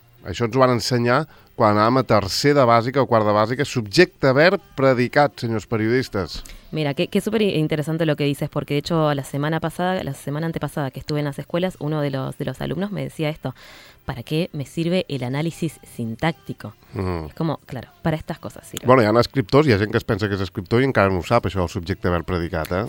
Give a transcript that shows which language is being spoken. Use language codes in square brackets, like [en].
[ca] Això ens ho van ensenyar quan anàvem a tercer de bàsica o quart de bàsica. Subjecte, verb, predicat, senyors periodistes. [es] Mira, qué súper interesante lo que dices, porque de hecho la semana antepasada que estuve en las escuelas, uno de los alumnos me decía esto: ¿para qué me sirve el análisis sintáctico? Uh-huh. Es como, claro, para estas cosas sirve. [ca] Bueno, hi ha escriptors, hi ha gent que es pensa que és escriptor i encara no ho sap, això del subjecte verb predicat, eh?